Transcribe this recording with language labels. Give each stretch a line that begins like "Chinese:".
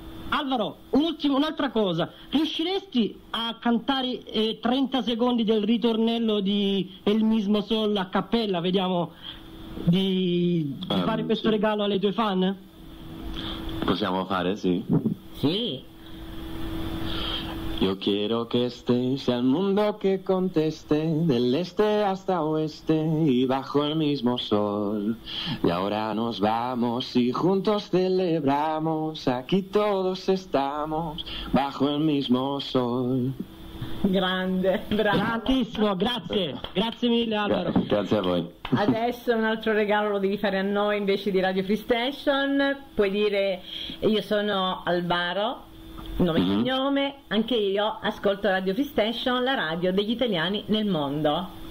Italian: Alvaro, un'altra cosa: riusciresti a cantare 30 secondi del ritornello di El Mismo Sol a cappella? Vediamo. Di fare questo, sì, regalo alle tue fan? Possiamo fare, sì. Sì.
Spanish: Yo quiero que estés al mundo que conteste, del este hasta oeste y bajo el mismo sol. Y ahora nos vamos y juntos celebramos, aquí todos estamos bajo el mismo sol.
Italian: Grande, bravo. Grandissimo, grazie mille Alvaro. Grazie a voi. Adesso un altro regalo lo devi fare a noi invece di Radio Free Station. Puoi dire: io sono Alvaro, nome e cognome, anche io ascolto Radio Free Station, la radio degli italiani nel mondo.